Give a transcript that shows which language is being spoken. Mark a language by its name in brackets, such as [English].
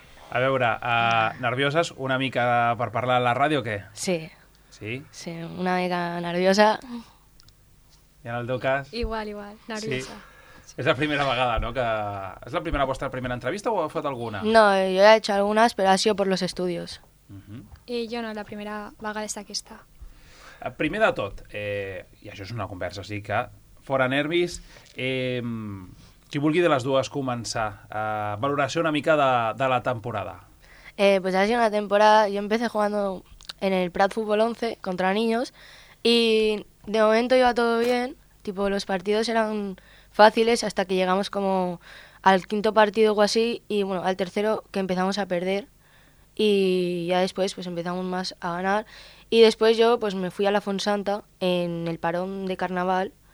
[Catalan] A veure, nervioses una mica per parlar a la ràdio o què? Sí. Sí? Sí, una mica nerviosa. I en el teu cas? Igual, nerviosa. Sí. Sí. És la primera vegada, no? Que... És la primera vostra primera entrevista o heu fet alguna? [Spanish] No, jo he hecho algunas, pero ha sido por los estudios. [Catalan] Uh-huh. I jo no, la primera vegada és aquesta. Primer de tot, i això és una conversa, sí que fora nervis, qui vulgui de les dues començar, valoració una mica de la temporada. [Spanish] Pues ha sido una temporada, yo empecé jugando en el Prat Fútbol 11 contra niños y de momento iba todo bien, tipo los partidos eran fáciles hasta que llegamos como al quinto partido o así y bueno, al tercero que empezamos a perder y ya después pues empezamos más a ganar y después yo pues me fui a la Fontsanta en el parón de carnaval.